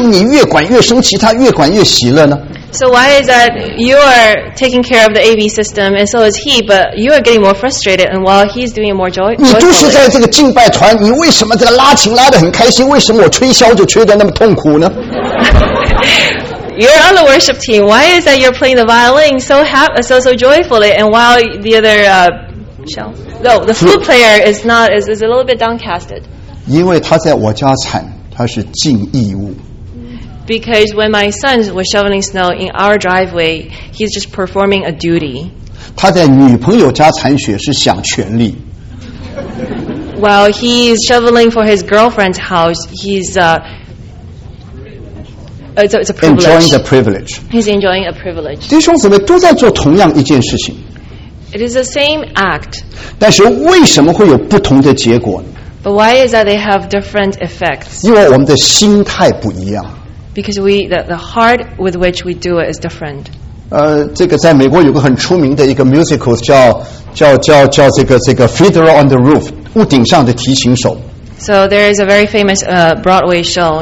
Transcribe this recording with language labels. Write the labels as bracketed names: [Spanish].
[Chinese] 那你在聚会的，你也在管这个音响，他也在管音响，为什么你越管越生气，他越管越喜乐呢？ [English] So why is that you are taking care of the AV system and so is he, but you are getting more frustrated and while he's doing it more joyfully. [Chinese] 你都是在这个敬拜团，你为什么这个拉琴拉得很开心，为什么我吹箫就吹得那么痛苦呢？ [English] You're on the worship team. Why is that you're playing the violin so joyfully, and while the other flute player is a little bit downcasted? Because when my son was shoveling snow in our driveway, he's just performing a duty. [Chinese] 他在女朋友家铲雪是享权利。 [English] While he's shoveling for his girlfriend's house, it's a privilege. Enjoying the privilege. He's enjoying a privilege. [Chinese] 弟兄姊妹都在做同样一件事情。 [English] It is the same act. [Chinese] 但是为什么会有不同的结果呢？ [English] But why is that they have different effects? [Chinese] 因为我们的心态不一样。 [English] Because the heart with which we do it is different. [Chinese] 这个在美国有个很出名的一个 musical 叫这个 Fiddler on the Roof, 屋顶上的提琴手。 [English] So there is a very famous Broadway show.